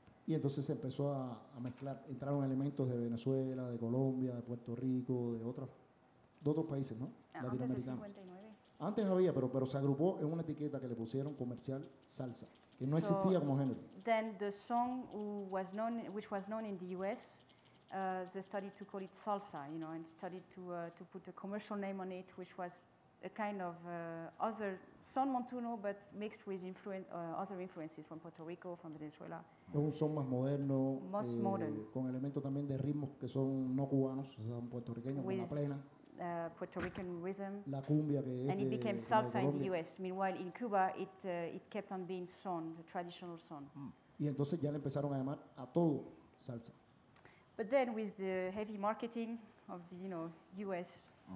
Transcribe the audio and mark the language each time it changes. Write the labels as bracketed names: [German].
[Spanish] Y entonces se empezó a mezclar, entraron elementos de Venezuela, de Colombia, de Puerto Rico, de otros países, ¿no? Latinoamericanos. Antes de 59. Antes había, pero se agrupó en una etiqueta que le pusieron comercial salsa, que no existía como género. [English] Then the song which was known in the U.S. They started to call it salsa, you know, and started to put a commercial name on it, which was a kind of other son Montuno, but mixed with other influences from Puerto Rico, from Venezuela. [Spanish] Es un son más moderno, [English] most modern, [Spanish] con elementos también de ritmos que son no cubanos, o sea, son puertorriqueños, [English] with [Spanish] con la plena. [English] Puerto Rican rhythm. [Spanish] La cumbia que [English] and it became salsa in the U.S. Meanwhile, in Cuba, it kept on being son, the traditional son. [Spanish] Y entonces ya le empezaron a llamar a todo salsa. [English] But then, with the heavy marketing of the, you know, U.S.